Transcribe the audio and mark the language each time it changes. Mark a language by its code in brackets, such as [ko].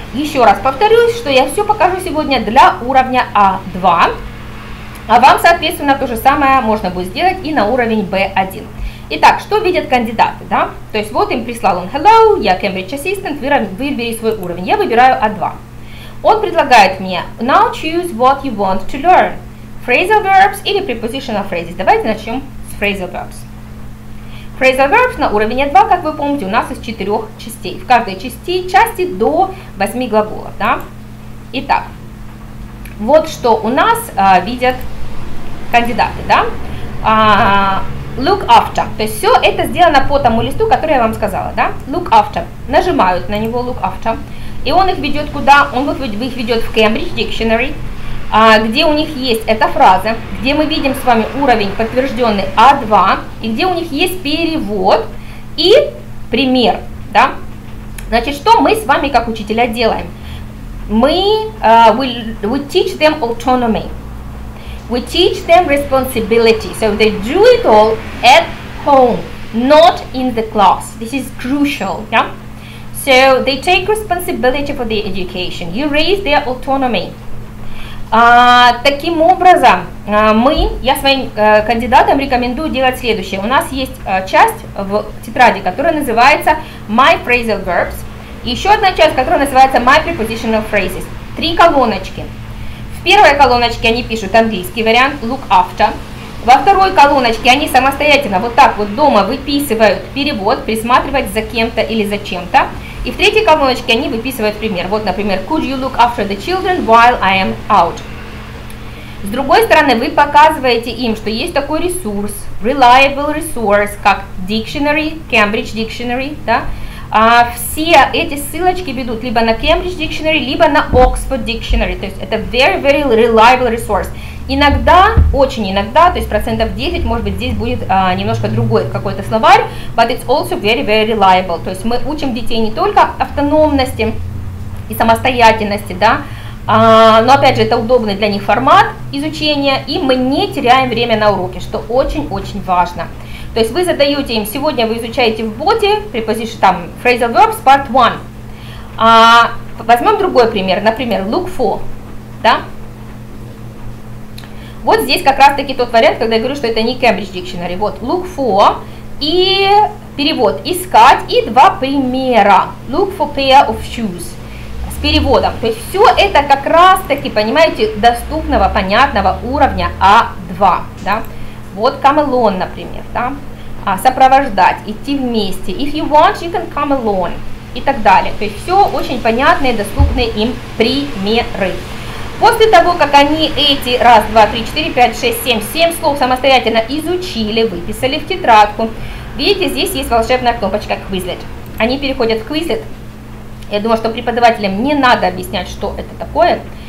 [ru] Еще раз повторюсь, что я все покажу сегодня для уровня А2. А вам, соответственно, то же самое можно будет сделать и на уровень Б1. Итак, что видят кандидаты, да? То есть вот им прислал он hello, я Cambridge Assistant, выбери свой уровень. Я выбираю А2. Он предлагает мне [en] now choose what you want to learn. Phrasal verbs [ru] или [en] prepositional phrases. [ru] Давайте начнем с phrasal verbs. Phrasal verbs на уровне 2, как вы помните, у нас из 4 частей. В каждой части до 8 глаголов. Да? Итак, вот что у нас видят кандидаты. Да? [en] Look after. [ru] То есть все это сделано по тому листу, который я вам сказала. Да? [en] Look after. [ru] Нажимают на него look after. И он их ведет куда? Он их ведет в Cambridge Dictionary. где у них есть эта фраза, где мы видим с вами уровень подтвержденный А2, и где у них есть перевод и пример. Да? Значит, что мы с вами как учителя делаем? Мы [en] we teach them autonomy. We teach them responsibility. So they do it all at home, not in the class. This is crucial. Yeah? So they take responsibility for the education. You raise their autonomy. [ru] Таким образом, я своим кандидатам рекомендую делать следующее. У нас есть часть в тетради, которая называется My Phrasal Verbs. Еще одна часть, которая называется My Prepositional Phrases. Три колоночки. В первой колоночке они пишут английский вариант look after. Во второй колоночке они самостоятельно вот так вот дома выписывают перевод, присматривать за кем-то или за чем-то. И в третьей колоночке они выписывают пример. Вот, например, [en] could you look after the children while I am out? [ru] С другой стороны, вы показываете им, что есть такой ресурс, reliable resource, как dictionary, Cambridge Dictionary, да? Все эти ссылочки ведут либо на Cambridge Dictionary, либо на Oxford Dictionary. То есть это [en] very, very reliable resource. [ru] Иногда, очень иногда, то есть процентов 10, может быть, здесь будет немножко другой какой-то словарь, [en] but it's also very, very reliable. [ru] То есть мы учим детей не только автономности и самостоятельности, да, но опять же, это удобный для них формат изучения, и мы не теряем время на уроке, что очень-очень важно. То есть вы задаете им, сегодня вы изучаете в боте, preposition, там, phrasal verbs, part 1. Возьмем другой пример, например, look for, да. Вот здесь как раз-таки тот вариант, когда я говорю, что это не Cambridge Dictionary. Вот, look for и перевод, искать, и два примера. [en] Look for pair of shoes [ru] с переводом. То есть все это как раз-таки, понимаете, доступного, понятного уровня А2. Да? Вот come alone, например, да? Сопровождать, идти вместе. [en] If you want, you can come alone [ru] и так далее. То есть все очень понятные, доступные им примеры. После того, как они эти 1, 2, 3, 4, 5, 6, 7, 7 слов самостоятельно изучили, выписали в тетрадку, видите, здесь есть волшебная кнопочка Quizlet. Они переходят в Quizlet. Я думаю, что преподавателям не надо объяснять, что это такое.